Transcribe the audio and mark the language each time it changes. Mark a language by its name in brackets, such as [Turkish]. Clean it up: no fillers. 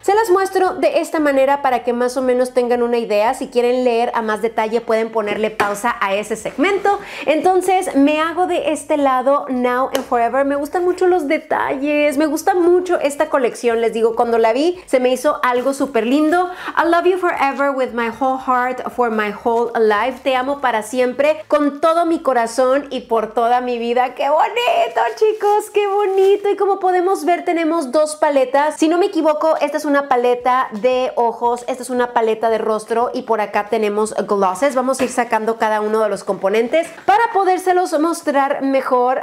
[Spanish] Se las muestro de esta manera para que más o menos tengan una idea. Si quieren leer a más detalle pueden ponerle pausa a ese segmento. Entonces me hago de este lado Now and Forever. Me gustan mucho los detalles, me gusta mucho esta colección. Les digo, cuando la vi se me hizo algo súper lindo. [English] I love you forever with my whole heart for my whole life. [Spanish] Te amo para siempre con todo mi corazón y por toda mi vida. ¡Qué bonito, chicos! ¡Qué bonito! Y como podemos ver tenemos dos paletas. Si no me equivoco, esta es una paleta de ojos, esta es una paleta de rostro y por acá tenemos glosses. Vamos a ir sacando cada uno de los componentes para podérselos mostrar mejor.